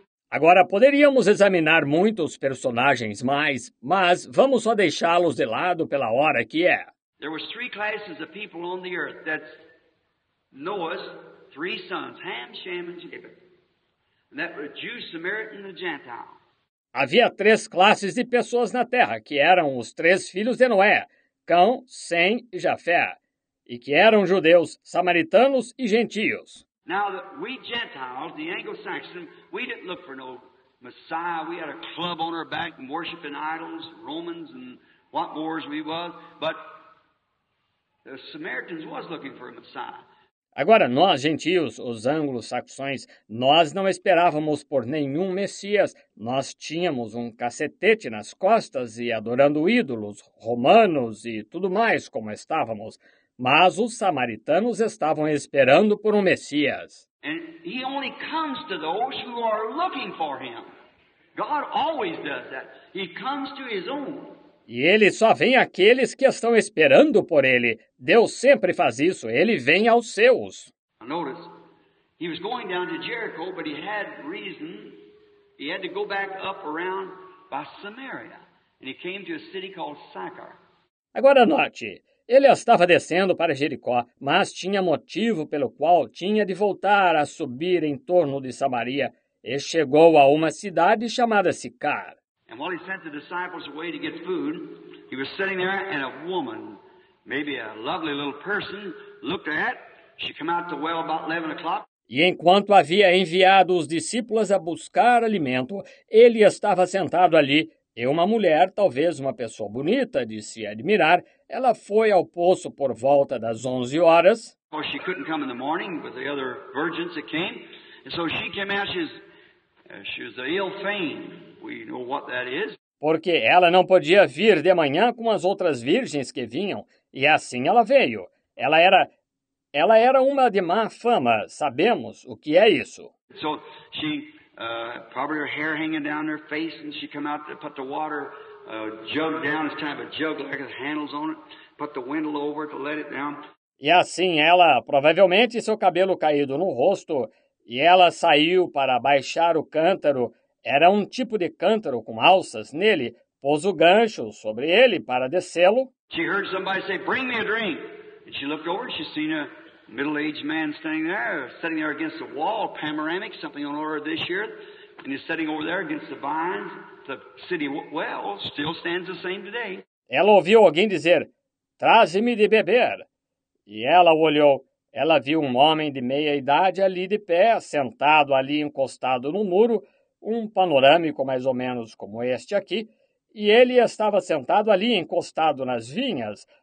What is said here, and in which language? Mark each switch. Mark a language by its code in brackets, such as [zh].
[pt] Agora, poderíamos examinar muitos personagens mais, mas vamos só deixá-los de lado pela hora que é. [en] There were three classes of people on the earth. That's Noah's three sons, Ham, Shem, and Japheth. And that were Jew, Samaritan, and Gentile. [pt] Havia três classes de pessoas na Terra, que eram os três filhos de Noé, Cão, Sem e Jafé. E que eram judeus, samaritanos e gentios. [en] Now that we Gentiles, the Anglo-Saxon, we didn't look for no Messiah. We had a club on our back and worshiping idols, Romans and what wars we was. But the Samaritans was looking for a Messiah. [pt] Agora, nós gentios, os anglo-saxões, nós não esperávamos por nenhum Messias. Nós tínhamos um cacetete nas costas e adorando ídolos, romanos e tudo mais como estávamos. Mas os samaritanos estavam esperando por um Messias. [en] And he only comes to those who are looking for him. God always does that. He comes to his own. [pt] E ele só vem àqueles que estão esperando por ele. Deus sempre faz isso. Ele vem aos seus. [en] Notice, he was going down to Jericho, but he had reason. He had to go back up around by Samaria. And he came to a city called Sychar. [pt] Agora note. Ele estava descendo para Jericó, mas tinha motivo pelo qual tinha de voltar a subir em torno de Samaria. E chegou a uma cidade chamada Sicar. [en] And while he sent the disciples away to get food, he was sitting there and a woman, maybe a lovely little person, looked at. She came out to the well about 11 o'clock. [pt] E enquanto havia enviado os discípulos a buscar alimento, ele estava sentado ali. E uma mulher, talvez uma pessoa bonita de se admirar, ela foi ao poço por volta das 11 horas. [en] Well, she couldn't come in the morning with the other virgins that came. And so she came out, she was a ill fame. We know what that is. [pt] Porque ela não podia vir de manhã com as outras virgens que vinham. E assim ela veio. Ela era uma de má fama. Sabemos o que é isso. [en] So she... Probably her hair hanging down her face, and she come out to put the water jug down. It's kind of a jug, like the handles on it. Put the windle over to let it down. [pt] E assim ela, provavelmente seu cabelo caído no rosto, e ela saiu para baixar o cântaro. Era um tipo de cântaro com alças nele. Pôs o gancho sobre ele para descê-lo. [en] She heard somebody say, "Bring me a drink." And she looked over, and she seen a middle-aged man sitting there against the wall, panoramic, something on order this year, and he's sitting over there against the vines, the city well, still stands the same today. [pt] Ela ouviu alguém dizer, traze-me de beber. E ela olhou, ela viu um homem de meia idade ali de pé, sentado ali encostado no muro, um panorâmico mais ou menos como este aqui, e ele estava sentado ali encostado nas vinhas.